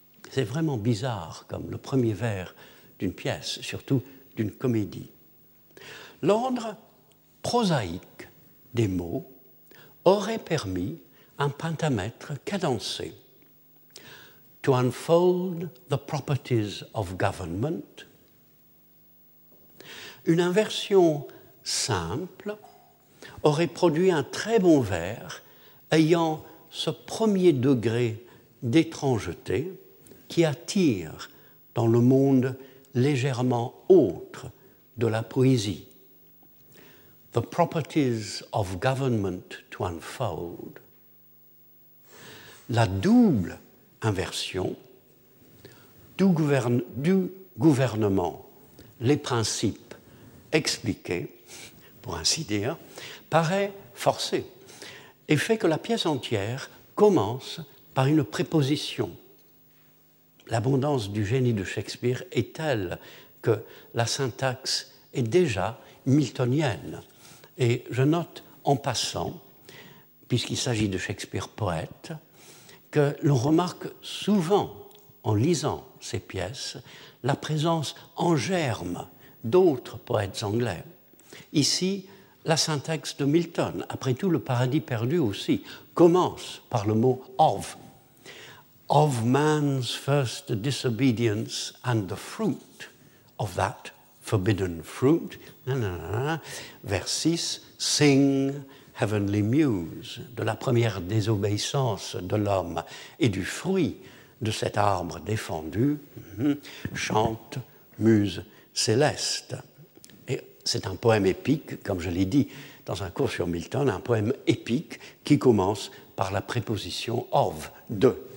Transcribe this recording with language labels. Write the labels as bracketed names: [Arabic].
[French] C'est vraiment bizarre comme le premier vers d'une pièce, surtout d'une comédie. L'ordre prosaïque des mots aurait permis un pentamètre cadencé. [English] To unfold the properties of government. [French] Une inversion simple aurait produit un très bon vers ayant ce premier degré d'étrangeté qui attire dans le monde légèrement autre de la poésie. [English] The properties of government to unfold. [French] La double inversion, du gouvernement, les principes expliqués, pour ainsi dire, paraît forcée et fait que la pièce entière commence par une préposition. L'abondance du génie de Shakespeare est telle que la syntaxe est déjà miltonienne. Et je note en passant, puisqu'il s'agit de Shakespeare poète, que l'on remarque souvent, en lisant ces pièces, la présence en germe d'autres poètes anglais. Ici, la syntaxe de Milton, après tout, le Paradis perdu aussi, commence par le mot « of ». [English] Of man's first disobedience and the fruit of that forbidden fruit. [French] Vers 6, [English] sing heavenly muse, [French] de la première désobéissance de l'homme et du fruit de cet arbre défendu. Chante muse céleste. Et c'est un poème épique, comme je l'ai dit dans un cours sur Milton, un poème épique qui commence par la préposition of, de.